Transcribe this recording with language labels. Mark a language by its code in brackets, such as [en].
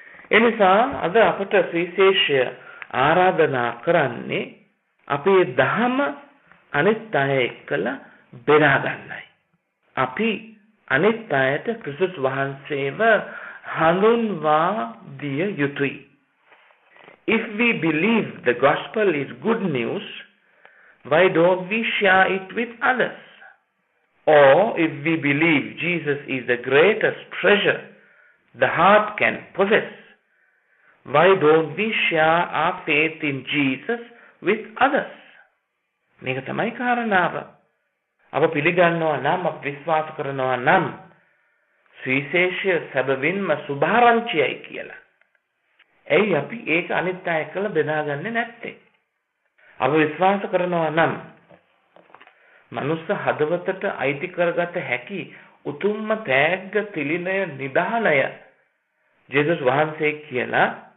[si] එනිසා අද අපට සුවිශේෂය ආරාධනා කරන්නේ අපේ දහම අනිත් අය එක්කල බෙදා ගන්නයි. අපි අනිත් අයට ක්‍රිස්තුස් වහන්සේව හඳුන්වා දිය යුතුයි. [en] If we believe the gospel is good news, why don't we share it with others? Or if we believe Jesus is the greatest treasure the heart can possess, why don't we share our faith in Jesus with others? [si] මේක තමයි කාරණාව. අප පිළිගන්නවා නම්, අප විශ්වාස කරනවා නම් සුවිශේෂය සැබවින්ම සුභාරංචියයි කියලා. ඇයි අපි ඒක අනිත් අය එක්කල බෙදාගන්නේ නැත්තේ? අප විශ්වාස කරනවා නම් මනුස්ස හදවතට අයිති කරගත හැකි උතුම්ම තෑග්ග තිළිණය නිධානය ජේසුස් වහන්සේ කියලා.